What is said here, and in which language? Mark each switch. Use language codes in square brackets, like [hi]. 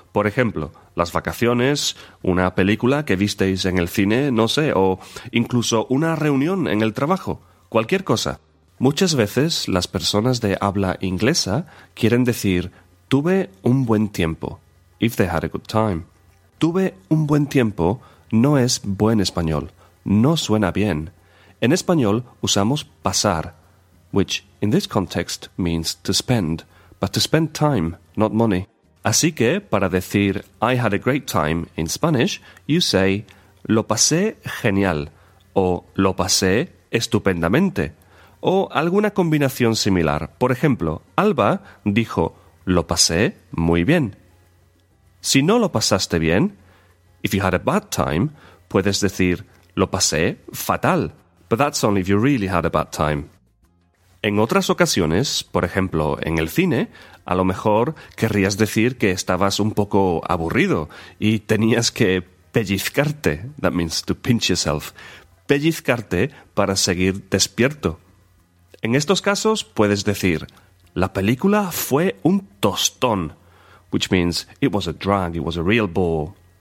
[es] Por ejemplo, las vacaciones, una película que visteis en el cine, no sé, o incluso una reunión en el trabajo, cualquier cosa. Muchas veces las personas de habla inglesa quieren decir «tuve un buen tiempo», [en] «if they had a good time». [es] «Tuve un buen tiempo» no es buen español, no suena bien. En español usamos pasar, [en] which in this context means to spend, but to spend time, not money. [es] Así que, para decir [en] I had a great time in Spanish, you say [es] lo pasé genial, o lo pasé estupendamente, o alguna combinación similar. Por ejemplo, Alba dijo lo pasé muy bien. Si no lo pasaste bien, [en] if you had a bad time, [es] puedes decir lo pasé fatal. [en] But that's only if you really had a bad time. [es] En otras ocasiones, por ejemplo, en el cine, a lo mejor querrías decir que estabas un poco aburrido y tenías que pellizcarte. [en] That means to pinch yourself. [es] pellizcarte para seguir despierto. En estos casos puedes decir, la película fue un tostón, [en] which means it was a drag, it was a real bore.